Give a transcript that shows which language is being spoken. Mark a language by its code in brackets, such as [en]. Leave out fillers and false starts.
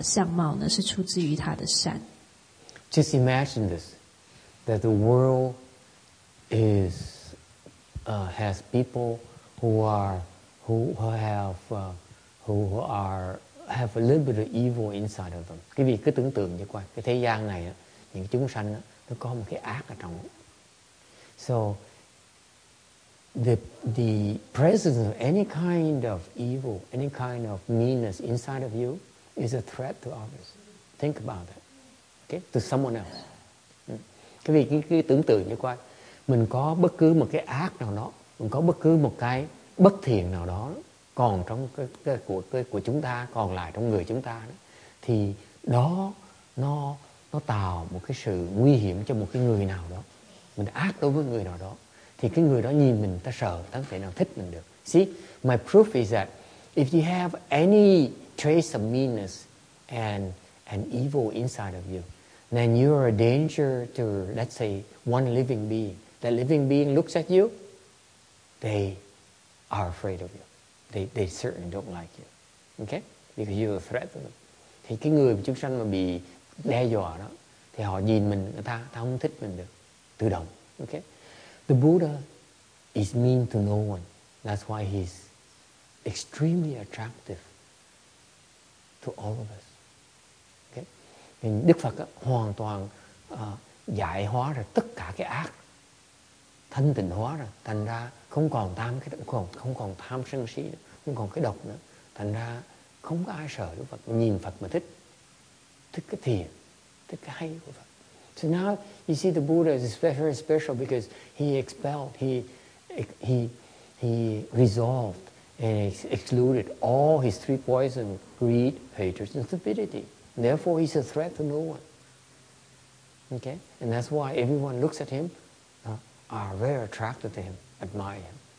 [zh] 所以法师说，他相信这个一个人呢，如果是非常的善的话，极端的善的话，他的是有他吸引人的地方。所以佛的这个相貌呢，是出自于他的善。 [en] Just imagine this, that the world is has people who have a little bit of evil inside of them. [vi] Cái vị cứ tưởng tượng như coi cái thế gian này á, những chúng sanh á, nó có một cái ác ở trong. [en] So the presence of any kind of evil, any kind of meanness inside of you is a threat to others. Think about that. Okay, to someone else. [vi] Cái vị cứ tưởng tượng như coi mình có bất cứ một cái ác nào đó, mình có bất cứ một cái bất thiện nào đó còn trong cái của chúng ta, còn lại trong người chúng ta đó, thì đó nó tạo một cái sự nguy hiểm cho một cái người nào đó. Mình ác đối với người nào đó thì cái người đó nhìn mình ta sợ, ta không thể nào thích mình được. [en] See, my proof is that if you have any trace of meanness and evil inside of you, then you are a danger to, let's say, one living being. That living being looks at you, they are afraid of you. They certainly don't like you. Okay? Because you're a threat to them. [vi] Thì cái người chúng sanh mà bị đe dọa đó, thì họ nhìn mình, người ta không thích mình được. Tự động. [en] Okay? The Buddha is mean to no one. That's why he's extremely attractive to all of us. Okay? [vi] Nên Đức Phật hoàn toàn giải hóa ra tất cả cái ác, thanh tịnh hóa ra, thành ra không còn tham cái không còn tham sân si nữa, không còn cái độc nữa, thành ra không có ai sợ Đức Phật, nhìn Phật mà thích cái thiện, thích cái hay của Phật. [en] So now you see the Buddha is very special because he expelled, he resolved and excluded all his three poisons: greed, hatred, and stupidity. Therefore, he's a threat to no one. Okay, and that's why everyone looks at him, are very attracted to him, admire him.